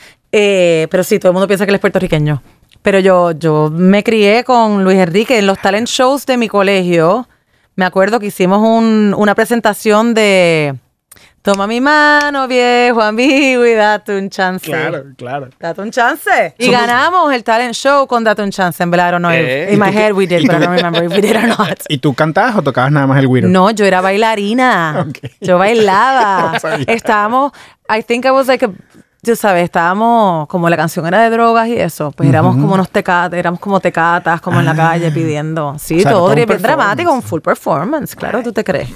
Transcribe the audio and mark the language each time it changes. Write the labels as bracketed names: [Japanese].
[Spanish] Pero sí, todo el mundo piensa que él es puertorriqueño. Pero yo me crié con Luis Enrique en los talent shows de mi colegio. Me acuerdo que hicimos una presentación de toma mi mano, viejo amigo, y date un chance. Claro, claro. Date un chance. Y ganamos el talent show con date un chance. En verdad, [English] I don't know. In my head we did, but I don't remember if we did or not. [Spanish] ¿Y tú cantabas o tocabas nada más el güiro? No, yo era bailarina. [English] Okay. [Spanish] Yo bailaba. Estábamos, [English] I think I was like a... [Spanish] Tú sabes, estábamos, como la canción era de drogas y eso, pues uh-huh, éramos como unos tecates, éramos como tecatas, como en la calle pidiendo. Sí, o sea, todo bien dramático, un full performance, claro, ¿tú te crees?